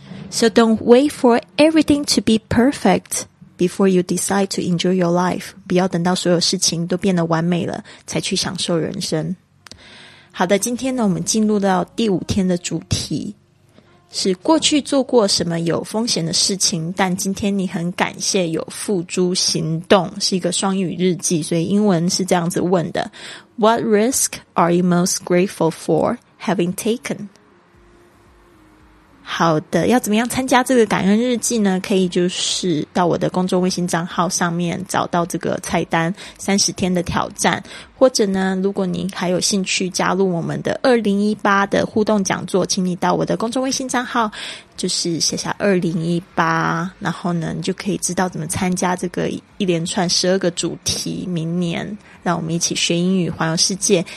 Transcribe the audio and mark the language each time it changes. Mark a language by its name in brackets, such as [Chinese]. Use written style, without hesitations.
[English] So don't wait for everything to be perfect before you decide to enjoy your life. [Chinese] 不要等到所有事情都变得完美了才去享受人生。好的，今天呢我们进入到第五天的主题，是过去做过什么有风险的事情，但今天你很感谢有付诸行动，是一个双语日记，所以英文是这样子问的。 [English] What risk are you most grateful for having taken? [Chinese] 好的，要怎么样参加这个感恩日记呢？可以就是到我的公众微信账号上面找到这个菜单30天的挑战，或者呢，如果您还有兴趣加入我们的2018的互动讲座，请你到我的公众微信账号就是写下2018，然后呢，你就可以知道怎么参加这个一连串12个主题，明年让我们一起学英语环游世界。